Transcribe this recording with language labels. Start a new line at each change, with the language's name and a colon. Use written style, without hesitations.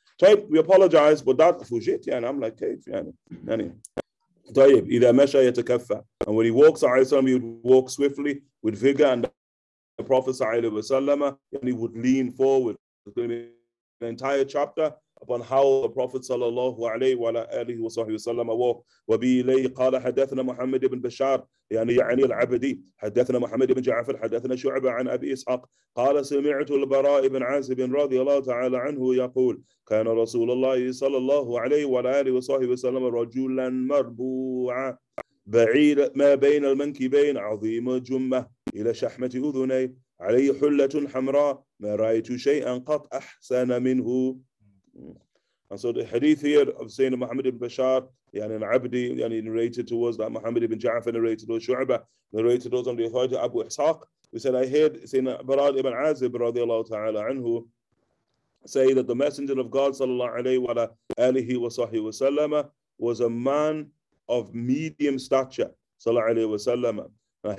English: So we apologize, but that fujit, yeah, and I'm like, hey, yeah.
Arabic: طيب إذا مشى يتكفى
English: and when he walks عليه الصلاة والسلام he would walk swiftly with vigor and the Prophet صلى الله عليه وسلم and he would lean forward. It's going to be an entire chapter upon how the Prophet صلى الله عليه وصحبه وسلم walked.
Arabic: وبي إليه قال حدثنا محمد بن بشار يعني العبدي حدثنا محمد بن جعفر حدثنا شعبة عن أبي إسحاق قال سمعت البراء بن عازب رضي الله تعالى عنه يقول كان رسول الله صلى الله عليه وآله وصحبه وسلم رجلا مربوعا بعيد ما بين المنكبين عظيم جمة إلى شحمة أذني عليه حلة حمراء ما رأيت شيئا قط أحسن منه.
English: And so the hadith here of saying Muhammad ibn Bashar, yani an abdi, yani narrated to us that Muhammad ibn Ja'far narrated or Shu'aba narrated to us on the authority of Abu Ishaq. We said, I heard Sayyidina Barad ibn Azib radiallahu ta'ala anhu say that the Messenger of God sallallahu alayhi wa alihi wa sahbihi wa sallam was a man of medium stature sallallahu alayhi wa sallam.